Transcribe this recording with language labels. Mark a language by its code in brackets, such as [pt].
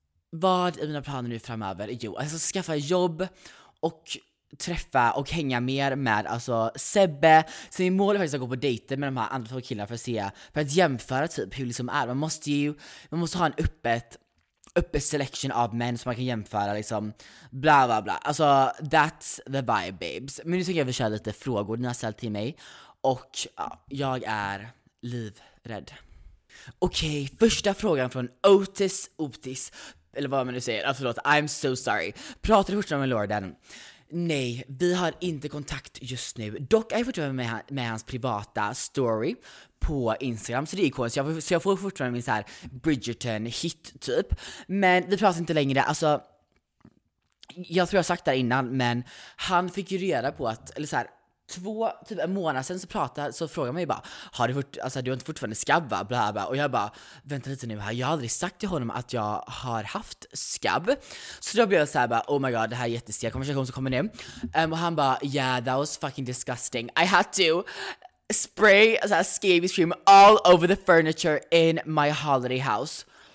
[sv] Vad är mina planer nu framöver? Jo, jag ska skaffa jobb och träffa och hänga mer med alltså Sebbe. Så min mål är faktiskt att gå på dejter med de här andra två killarna för att se, för att jämföra typ hur det liksom är. Man måste ha en öppet selection av män som man kan jämföra liksom, bla bla bla. [en] Alltså, that's the vibe, babes. [sv] Men nu tänker jag köra lite frågor ni har ställt till mig. Och ja, jag är livrädd. Okej, första frågan från Otis. Eller vad man nu säger, alltså, förlåt, [en] I'm so sorry. [sv] Pratar du fortfarande med Lorden? Nej, vi har inte kontakt just nu. Dock är jag fortfarande med hans privata story på Instagram. Så det är ikon, så jag får fortfarande min så här Bridgerton hit typ. Men vi pratar inte längre. Alltså, jag tror jag sagt det innan, men han fick ju reda på att, eller såhär, två, typ en månad sedan så frågar man ju bara, har du alltså, du har inte fortfarande skabb, bla bla. Och jag bara, vänta lite nu här, jag har aldrig sagt till honom att jag har haft skabb. Så då blev jag såhär bara, [en] oh my god, [sv] det här är jättestel konversation som kommer nu. Och han bara, [en] yeah, that was fucking disgusting. I had to spray såhär scabies cream all over the furniture in my holiday house.